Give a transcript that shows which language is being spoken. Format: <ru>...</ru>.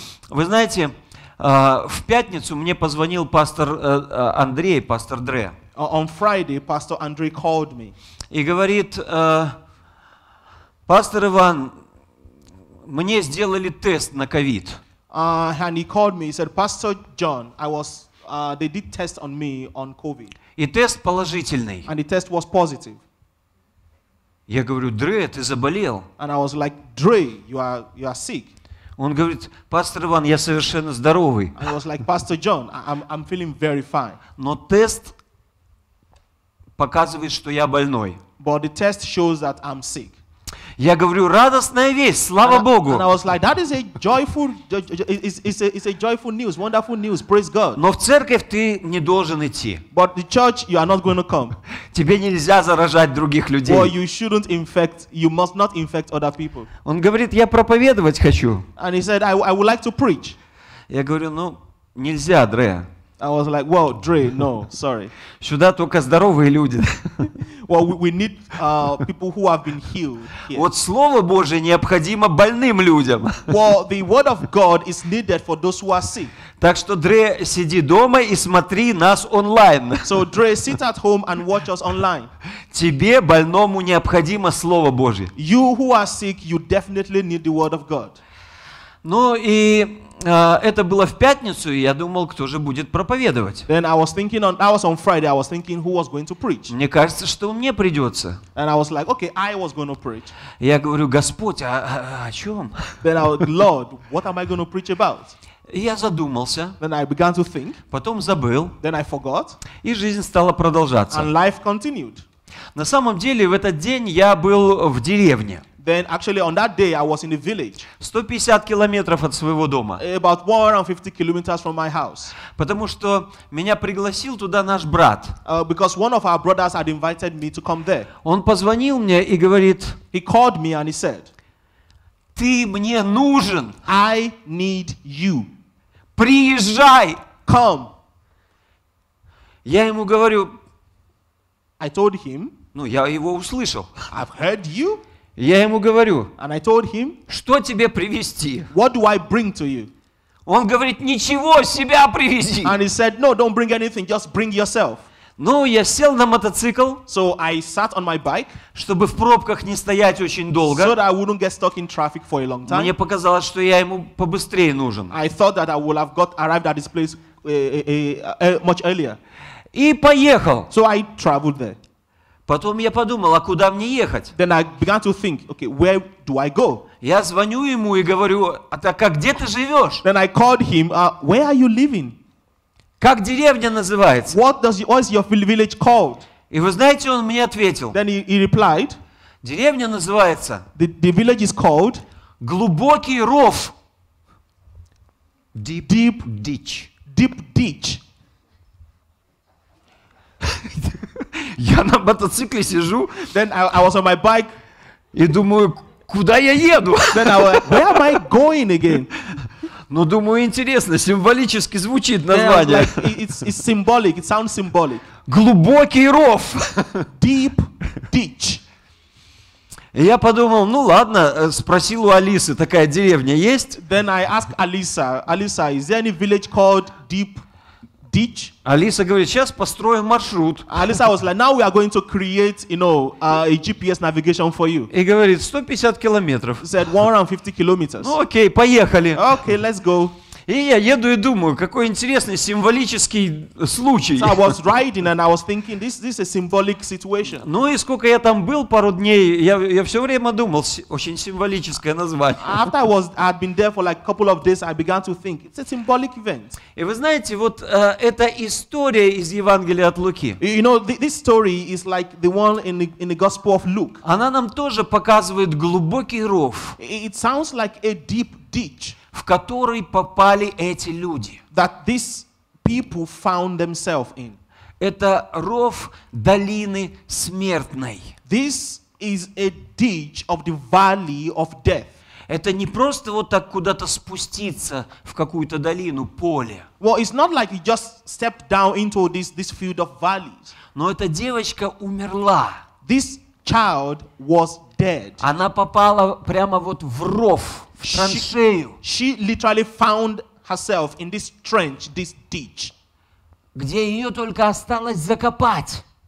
<ru>Вы знаете, в пятницу мне позвонил пастор Андрей, пастор Дре.</ru> <en>On Friday, Pastor Andre called me.</en> <ru>И говорит, пастор Иван, мне сделали тест на COVID.</ru> <en>And he called me. He said, Pastor John, I was, they did test on me on COVID.</en> <ru>И тест положительный.</ru> <en>And the test was positive.</en> <ru>Я говорю, Дре, ты заболел?</ru> <en>And I was like, Dre, you are sick.</en> <ru>Он говорит, пастор Иван, я совершенно здоровый.</ru> <en>And I was like, Pastor John, I'm feeling very fine.</en> <ru>Но тест показывает, что я больной.</ru> <en>But the test shows that I'm sick.</en> <ru>Я говорю, радостная весть, слава Богу.</ru> <en>And I was like, that is a joyful, it's a joyful news, wonderful news, praise God.</en> <ru>Но в церковь ты не должен идти.</ru> <en>But the church, you are not going to come.</en> <ru>Тебе нельзя заражать других людей.</ru> <en>Well, you shouldn't infect, you must not infect other people.</en> <ru>Он говорит, я проповедовать хочу.</ru> <en>And he said, I would like to preach.</en> <ru>Я говорю, ну, нельзя, Дре.</ru> <en>I was like, well, Dre, no, sorry.</en> <ru>Сюда только здоровые люди.</ru> <en>Well, we need people who have been healed here.</en> <ru>Вот слово Божие необходимо больным людям.</ru> <en>Well, the word of God is needed for those who are sick.</en> <ru>Так что Дре, сиди дома и смотри нас онлайн.</ru> <en>So Dre, sit at home and watch us online.</en> <ru>Тебе, больному, необходимо слово Божие.</ru> <en>You who are sick, you definitely need the word of God.</en> <ru>Ну и это было в пятницу, и я думал, кто же будет проповедовать.</ru> <en>Then I was thinking on, I was on Friday, I was thinking who was going to preach.</en> <ru>Мне кажется, что мне придется.</ru> <en>And I was like, okay, I was going to preach.</en> <ru>Я говорю, Господь, о чем?</ru> <en>Then I was, Lord, what am I going to preach about?</en> <ru>И я задумался.</ru> <en>Then I began to think.</en> <ru>Потом забыл.</ru> <en>Then I forgot.</en> <ru>И жизнь стала продолжаться.</ru> <en>And life continued.</en> <ru>На самом деле, в этот день я был в деревне.</ru> <en>Then actually on that day I was in the village.</en> <ru>150 километров от своего дома.</ru> <en>About 150 kilometers from my house.</en> <ru>Потому что меня пригласил туда наш брат.</ru> <en>Because one of our brothers had invited me to come there.</en> <ru>Он позвонил мне и говорит.</ru> <en>He called me and he said,</en> <ru>"Ты мне нужен.</ru> <en>I need you.</en> <ru>Приезжай.</ru> <en>Come."</en> <ru>Я ему говорю.</ru> <en>I told him.</en> <ru>Ну я его услышал.</ru> <en>I've heard you.</en> <ru>Я ему говорю,</ru> <en>and I told him,</en> <ru>что тебе привезти?</ru> <en>What do I bring to you?</en> <ru>Он говорит, ничего, себя привези.</ru> <en>And he said, no, don't bring anything, just bring yourself.</en> <ru>Ну, я сел на мотоцикл,</ru> <en>so I sat on my bike,</en> <ru>чтобы в пробках не стоять очень долго.</ru> <en>So that I wouldn't get stuck in traffic for a long time.</en> <ru>Мне показалось, что я ему побыстрее нужен.</ru> <en>I thought that I would have got arrived at this place much earlier.</en> <ru>И поехал.</ru> <en>So I traveled there.</en> <ru>Потом я подумал, а куда мне ехать?</ru> <en>Then I began to think, okay, where do I go?</en> <ru>Я звоню ему и говорю, а где ты живешь?</ru> <en>Then I called him, where are you living?</en> <ru>Как деревня называется?</ru> <en>What is your village called?</en> <ru>И вы знаете, он мне ответил.</ru> <en>Then he replied,</en> <ru>деревня называется.</ru> <en>The village is called.</en> <ru>Глубокий ров.</ru> <en>Deep, deep ditch. Deep ditch.</en> <ru>Я на мотоцикле сижу.</ru> <en>Then I was on my bike.</en> <ru>И думаю, куда я еду?</ru> <en>Then I went, where am I going again?</en> <ru>Ну, думаю, интересно, символически звучит название.</ru> <en>Like, it's symbolic, it sounds symbolic.</en> <ru>Глубокий ров.</ru> <en>Deep ditch.</en> <ru>И я подумал, ну ладно, спросил у Алисы, такая деревня есть?</ru> <en>Then I asked Alisa, Alisa, is there any village called Deep Ditch? Ditch.</en> <ru>Алиса говорит, сейчас построим маршрут.</ru> <en>Alisa was like, now we are going to create, you know, a GPS navigation for you.</en> <ru>И говорит, 150 километров.</ru> <en>Said 150 kilometers.</en> <ru>Ну, окей, поехали.</ru> <en>Okay, let's go.</en> <ru>И я еду и думаю, какой интересный символический случай.</ru> <en>So I was riding and I was thinking, this is a symbolic situation.</en> <ru>Ну и сколько я там был пару дней, я все время думал, очень символическое название.</ru> <en>After I'd been there for like a couple of days, I began to think, it's a symbolic event.</en> <ru>И вы знаете, вот эта история из Евангелия от Луки.</ru> <en>You know, this story is like the one in the Gospel of Luke.</en> <ru>Она нам тоже показывает глубокий ров.</ru> <en>It sounds like a deep ditch.</en> <ru>В который попали эти люди.</ru> <en>That these people found themselves in.</en> <ru>Это ров долины смертной.</ru> <en>This is a ditch of the valley of death.</en> <ru>Это не просто вот так куда-то спуститься в какую-то долину, поле.</ru> <en>Well, it's not like you just step down into this field of valleys.</en> <ru>Но эта девочка умерла.</ru> <en>This child was dead.</en> <ru>Она попала прямо вот в ров, в траншею.</ru> <en>She literally found herself in this trench, this ditch.</en> <ru>Где ее только осталось закопать.</ru>